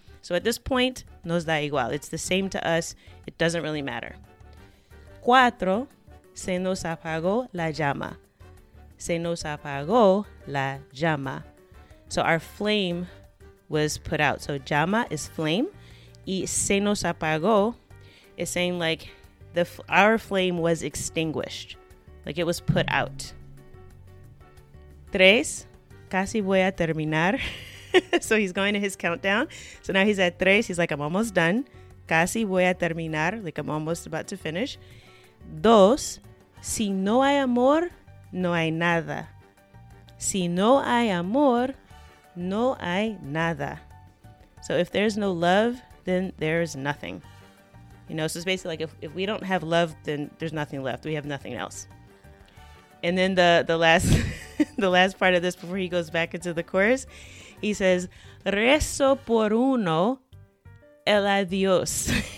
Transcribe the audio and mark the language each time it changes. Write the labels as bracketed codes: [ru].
[en] So at this point, [es] nos da igual. [en] It's the same to us. It doesn't really matter. [es] Cuatro, se nos apagó la llama. se nos apagó la llama. [en] So our flame was put out. So llama is flame. [es] Y se nos apagó [en] is saying like our flame was extinguished. Like it was put out. [es] Tres, casi voy a terminar. [en] So he's going to his countdown. So now he's at tres. He's like, I'm almost done. [es] Casi voy a terminar. [en] Like I'm almost about to finish. [es] Dos, si no hay amor, no hay nada. Si no hay amor, no hay nada. [en] So if there's no love, then there's nothing. You know, so it's basically like if we don't have love, then there's nothing left. We have nothing else. And then the last part of this before he goes back into the chorus, he says, [es] rezo por uno el adiós.